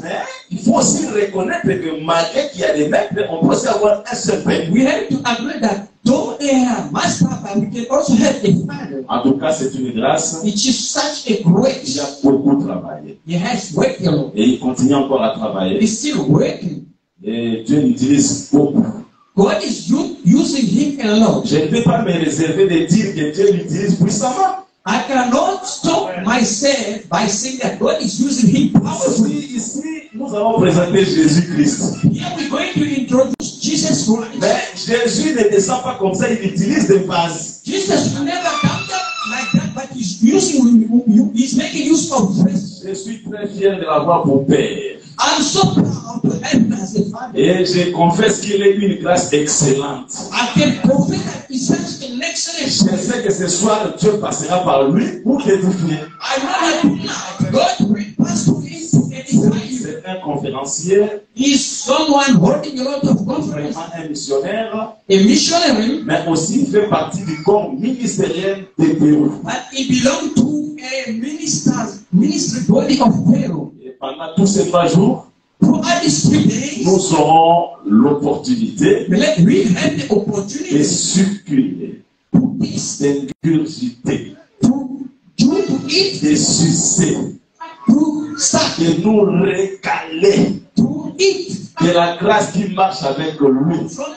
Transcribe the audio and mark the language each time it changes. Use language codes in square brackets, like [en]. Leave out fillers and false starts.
[fr] Mais il faut aussi reconnaître que malgré qu'il y a des maîtres, on peut aussi avoir un seul père. [en] We have to agree that though there are masters, but we can also have a father. [fr] En tout cas, c'est une grâce. [en] It is such a grace. [fr] Il a beaucoup travaillé. [en] He has worked a lot. [fr] Et il continue encore à travailler. [en] He's still working. [fr] Et Dieu l'utilise beaucoup. [en] God is using him a lot. [fr] Je ne peux pas me réserver de dire que Dieu l'utilise puissamment. [en] I cannot stop myself by saying that God is using him powerfully. [fr] Ici, nous allons présenter Jésus-Christ. [en] Here we're going to introduce Jesus Christ. [fr] Mais Jésus ne descend pas comme ça, il utilise des bases. [en] Jesus never comes up like that, but he's using he's making use of this. [fr] Je suis très fier de l'avoir pour père. [en] I'm so proud to have him as a father. [fr] Et je confesse qu'il est une grâce excellente. [en] I can confess that he's such an excellent father. [fr] Je sais que ce soir Dieu passera par lui pour t'édifier. [en] I know that God will pass through him to edify you. [fr] C'est un conférencier. [en] He's someone holding a lot of conferences. [fr] Vraiment un missionnaire. [en] A missionary. [fr] Mais aussi fait partie du corps ministériel de Parow. [en] But he belongs to a ministry body of Parow. [fr] Pendant tous ces 3 jours, nous aurons l'opportunité de succuler, d'ingurgiter, de sucer, de nous régaler de la grâce qui marche avec lui.